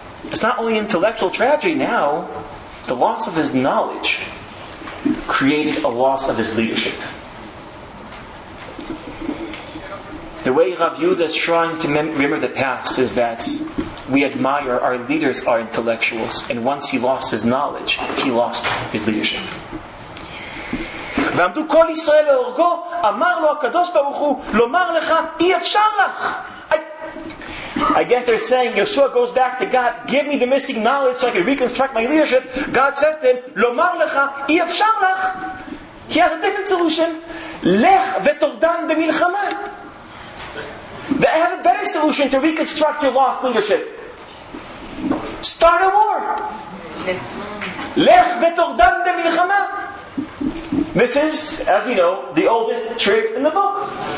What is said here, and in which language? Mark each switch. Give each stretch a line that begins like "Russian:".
English: It's not only intellectual tragedy now, the loss of his knowledge created a loss of his leadership. The way Rav Yehuda is trying to remember the past is that we admire our leaders, our intellectuals, and once he lost his knowledge, he lost his leadership.
Hebrew: ועמדו כל ישראל להורגו, אמר לו הקדוש ברוך הוא, לומר לך, אי אפשר לך.
English: I guess they're saying, Yeshua goes back to God, give me the missing knowledge so I can reconstruct my leadership. God says to him,
Hebrew: לומר לך, אי אפשר לך.
English: He has a different solution.
Hebrew: לך ותורדן במלחמה.
English: That I have a better solution to reconstruct your lost leadership. Start a war.
Hebrew: Lech v'tordan b'milchama.
English: This is, as you know, the oldest trick in the book.